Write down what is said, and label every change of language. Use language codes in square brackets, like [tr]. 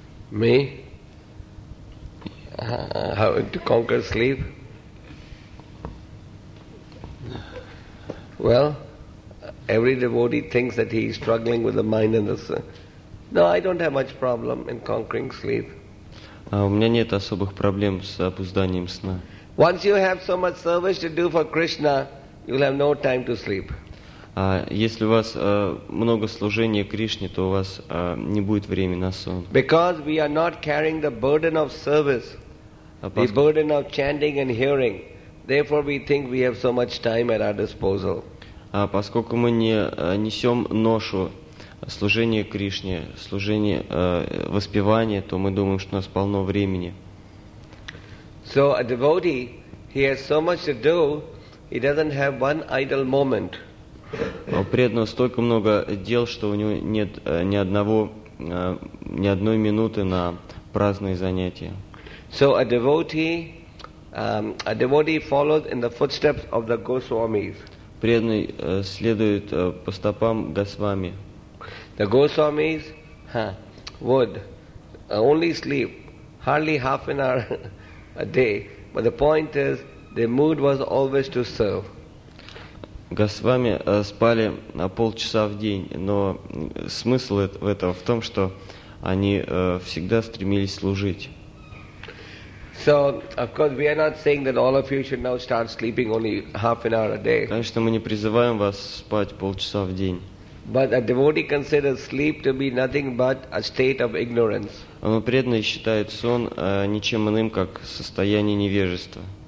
[en] Me? How to conquer sleep? Well, every devotee thinks that he is struggling with the mind and the soul. No, I don't have much problem in conquering sleep. [ru] У меня нет особых проблем с опозданием сна. [en] Once you have so much service to do for Krishna, you'll have no time to sleep. [ru] Если у вас много служения Кришне, то у вас не будет времени на сон. [en] Because we are not carrying the burden of service, the burden of chanting and hearing. Therefore, we think we have so much time at our disposal. [ru] Поскольку мы не несем ношу служение Кришне, служение воспевание, то мы думаем, что у нас полно времени. [en] So a devotee, he has so much to do, he doesn't have one idle moment. [ru] У преданного столько много дел, что у него нет ни одной минуты на праздные занятия. [en] So a devotee follows in the footsteps of the Goswamis. [ru] Преданный следует по стопам Госвами. [en] The Goswamis would only sleep hardly half an hour a day, but the point is, their mood was always to serve. [ru] Госвами спали на полчаса в день, но смысл этого в том, что они всегда стремились служить. [en] So, of course, we are not saying that all of you should now start sleeping only half an hour a day. [ru] Конечно, мы не призываем вас спать полчаса в день. [en] But a devotee considers sleep to be nothing but a state of ignorance. [ru] Но преданный считает сон ничем иным, как состояние невежества.